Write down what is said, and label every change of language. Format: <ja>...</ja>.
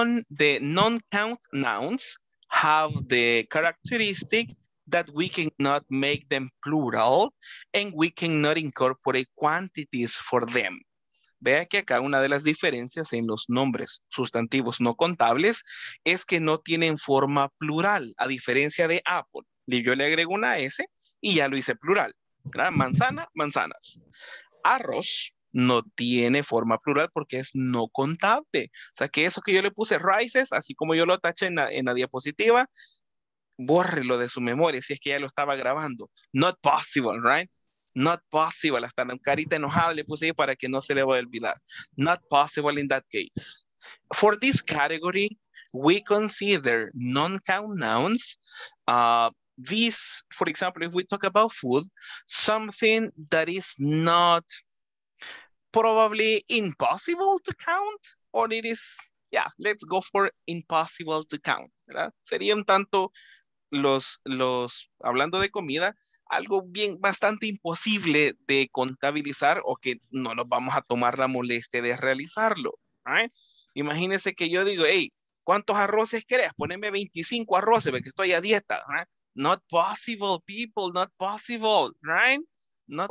<en>The non-count nouns have the characteristic that we cannot make them plural and we cannot incorporate quantities for them.</en> <es>Vea que acá una de las diferencias en los nombres sustantivos no contables es que no tienen forma plural, a diferencia de apple. Yo le agrego una S y ya lo hice plural. ¿Verdad? Manzana, manzanas. Arroz no tiene forma plural porque es no contable. O sea que eso que yo le puse rices, así como yo lo taché en la diapositiva, bórrelo de su memoria si es que ya lo estaba grabando.</es> <en>Not possible, right? Not possible.</en> <es>Hasta la carita enojada le puse ahí para que no se le vaya a olvidar.</es> <en>Not possible in that case. For this category, we consider non-count nouns. This, for example, if we talk about food, something that is not probably impossible to count, or it is, yeah, let's go for impossible to count, ¿verdad?</en> <es>Sería un tanto los hablando de comida, algo bien bastante imposible de contabilizar o que no nos vamos a tomar la molestia de realizarlo, right? Imagínense que yo digo, hey, ¿cuántos arroces querés? Poneme 25 arroces porque estoy a dieta,</es> <en>right? Not possible, people, not possible, right? Not</en>